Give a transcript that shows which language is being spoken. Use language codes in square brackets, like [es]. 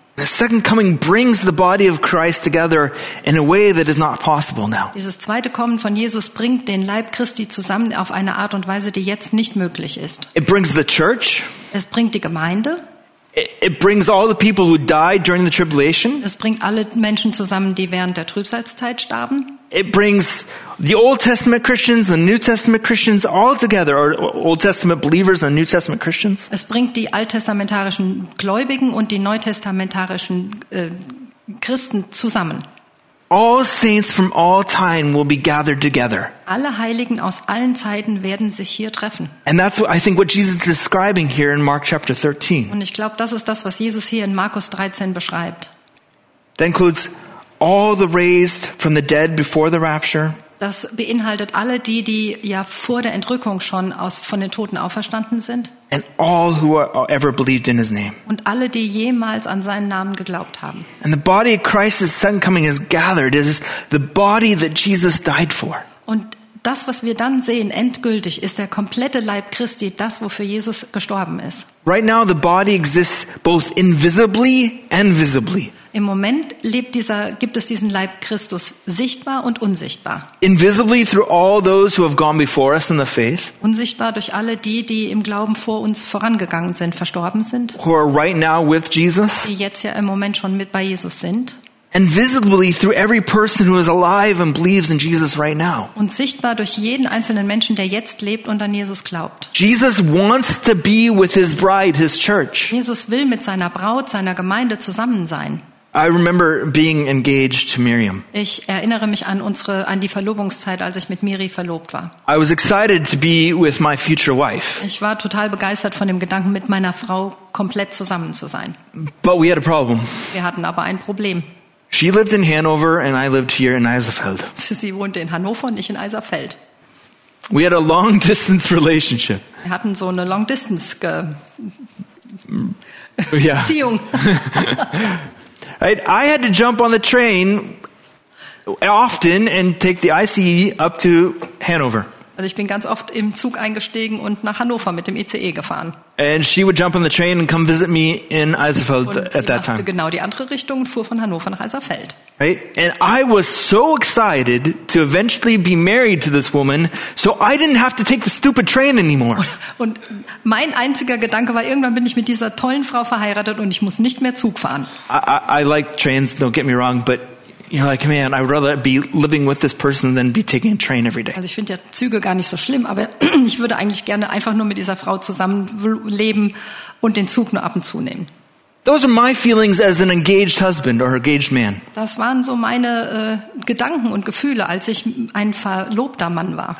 [en] The second coming brings the body of Christ together in a way that is not possible now. [de] Dieses zweite Kommen von Jesus bringt den Leib Christi zusammen auf eine Art und Weise, die jetzt nicht möglich ist. [en] It brings the church. [de] Es bringt die Gemeinde. [en] It brings all the people who died during the tribulation. [de] Es bringt alle Menschen zusammen, die während der Trübsalzeit starben. [en] It brings the Old Testament Christians and New Testament Christians all together, or Old Testament believers and New Testament Christians. [de] Es bringt die alttestamentarischen Gläubigen und die neutestamentarischen Christen zusammen. [en] All saints from all time will be gathered together. [de] Alle Heiligen aus allen Zeiten werden sich hier treffen. [en] And that's what I think what Jesus is describing here in Mark chapter 13. [de] Und ich glaube, das ist das, was Jesus hier in Markus 13 beschreibt. [en] That includes all the raised from the dead before the rapture. [de] Das beinhaltet alle die, die ja vor der Entrückung schon von den Toten auferstanden sind. [en] And all who ever believed in his name. [de] Und alle, die jemals an seinen Namen geglaubt haben. [en] And the body of Christ's second coming is gathered. It is the body that Jesus died for. [de] Und das, was wir dann sehen, endgültig, ist der komplette Leib Christi, das, wofür Jesus gestorben ist. [en] Right now the body exists both invisibly and visibly. [de] Im Moment gibt es diesen Leib Christus sichtbar und unsichtbar. [en] Invisibly through all those who have gone before us in the faith. [de] Unsichtbar durch alle die im Glauben vor uns vorangegangen sind, verstorben sind. [en] Who are right now with Jesus. [de] Die jetzt ja im Moment schon mit bei Jesus sind. [en] And visibly through every person who is alive and believes in Jesus right now. [de] Und sichtbar durch jeden einzelnen Menschen, der jetzt lebt und an Jesus glaubt. [en] Jesus wants to be with his bride, his church. [de] Jesus will mit seiner Braut, seiner Gemeinde zusammen sein. [en] I remember being engaged to Miriam. [de] Ich erinnere mich an die Verlobungszeit, als ich mit Miri verlobt war. [en] I was excited to be with my future wife. [de] Ich war total begeistert von dem Gedanken, mit meiner Frau komplett zusammen zu sein. [en] But we had a problem. [de] Wir hatten aber ein Problem. [en] She lived in Hanover and I lived here in Eisenfeld. [de] Sie wohnte in Hannover und ich in Eisenfeld. [en] We had a long distance relationship. [de] Wir hatten so eine [en] long distance [de] Beziehung. [en] Right? I had to jump on the train often and take the ICE up to Hanover. [de] Also ich bin ganz oft im Zug eingestiegen und nach Hannover mit dem ICE gefahren. [en] And she would jump on the train and come visit me in Eisenfeld at that time. [de] Sie machte genau die andere Richtung und fuhr von Hannover nach Eisenfeld. [en] Right? And I was so excited to eventually be married to this woman, so I didn't have to take the stupid train anymore. [de] Und mein einziger Gedanke war, irgendwann bin ich mit dieser tollen Frau verheiratet und ich muss nicht mehr Zug fahren. [en] I like trains, don't get me wrong, but You're like, man, I'd rather be living with this person than be taking a train every day. [de] Also ich finde ja Züge gar nicht so schlimm, aber ich würde eigentlich gerne einfach nur mit dieser Frau zusammenleben und den Zug nur ab und zu nehmen. [en] Those are my feelings as an engaged husband or engaged man. [de] Das waren so meine Gedanken und Gefühle, als ich ein verlobter Mann war.